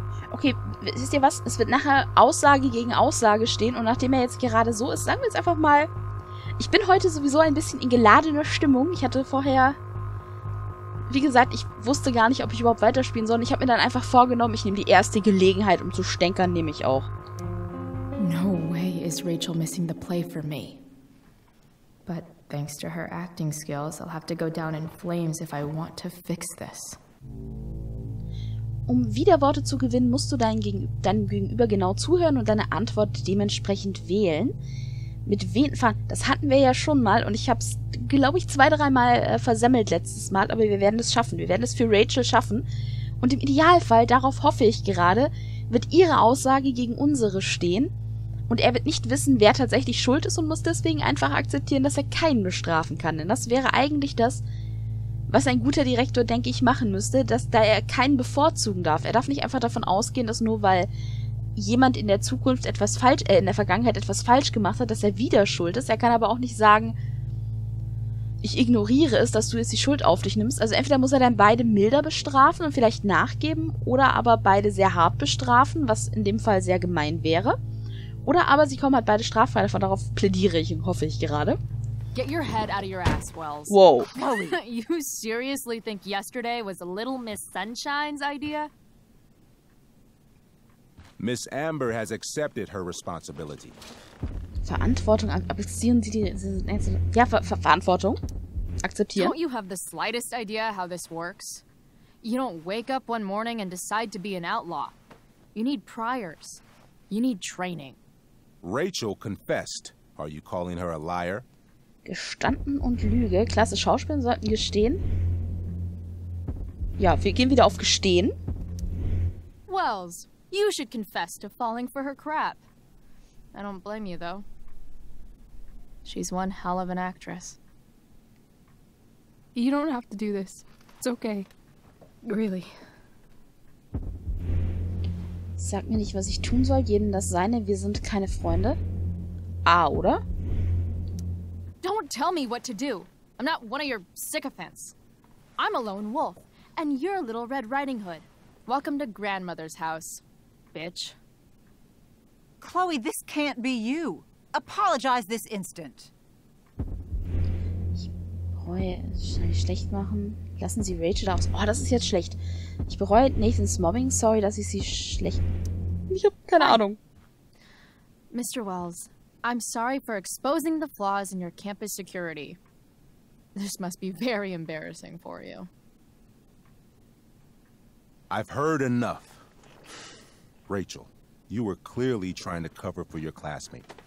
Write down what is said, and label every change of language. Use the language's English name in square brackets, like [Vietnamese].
[German] Okay, wisst ihr was? Es wird nachher Aussage gegen Aussage stehen und nachdem er jetzt gerade so ist, sagen wir jetzt einfach mal, ich bin heute sowieso ein bisschen in geladener Stimmung. Ich hatte vorher, wie gesagt, ich wusste gar nicht, ob ich überhaupt weiterspielen soll. Ich habe mir dann einfach vorgenommen, ich nehme die erste Gelegenheit, um zu stänkern, nehme ich auch. [English] No way is Rachel missing the play for me. But thanks to her acting skills, I'll have to go down in flames if I want to fix this. [German] Um wieder Worte zu gewinnen, musst du deinem Gegenüber genau zuhören und deine Antwort dementsprechend wählen. Mit wem fahren? Das hatten wir ja schon mal und ich hab's, glaube ich, 2-3 Mal versemmelt letztes Mal, aber wir werden es schaffen. Wir werden es für Rachel schaffen. Und im Idealfall, darauf hoffe ich gerade, wird ihre Aussage gegen unsere stehen. Und er wird nicht wissen, wer tatsächlich schuld ist und muss deswegen einfach akzeptieren, dass er keinen bestrafen kann. Denn das wäre eigentlich das, was ein guter Direktor, denke ich, machen müsste, dass da er keinen bevorzugen darf. Er darf nicht einfach davon ausgehen, dass nur weil jemand in der Zukunft etwas falsch, in der Vergangenheit etwas falsch gemacht hat, dass er wieder schuld ist. Er kann aber auch nicht sagen, ich ignoriere es, dass du jetzt die Schuld auf dich nimmst. Also entweder muss er dann beide milder bestrafen und vielleicht nachgeben oder aber beide sehr hart bestrafen, was in dem Fall sehr gemein wäre. Oder aber sie kommen halt beide straffrei davon, darauf plädiere ich und hoffe ich gerade. [English] Get your head out of your ass, Wells. Wow. You seriously think yesterday was Little Miss Sunshine's idea? Miss Amber has accepted her responsibility. [German] Verantwortung, akzeptieren Sie die... Ja, Verantwortung. akzeptieren. [English] Don't you have the slightest idea how this works? You don't wake up one morning and decide to be an outlaw. You need priors. You need training. Rachel confessed. Are you calling her a liar? [German] Gestanden und Lüge. Klasse, Schauspieler sollten gestehen. Ja, wir gehen wieder auf Gestehen. [English] Wells, you should confess to falling for her crap. I don't blame you, though. She's one hell of an actress. You don't have to do this. It's okay. Really. [German] Sag mir nicht, was ich tun soll. Jedem das Seine. Wir sind keine Freunde. Ah, oder? [English] Don't tell me what to do. I'm not one of your sycophants. I'm a lone wolf, and you're a little Red Riding Hood. Welcome to grandmother's house, bitch. Chloe, this can't be you. Apologize this instant. [German] Ich bereue es, soll ich schlecht machen? Lassen Sie Rachel aus. Oh, das ist jetzt schlecht. Ich bereue Nathans Mobbing. Sorry, dass ich sie schlecht... Ich hab keine Ahnung. [English] Mr. Wells, I'm sorry for exposing the flaws in your campus security. This must be very embarrassing for you. I've heard enough. Rachel, you were clearly trying to cover for your classmate.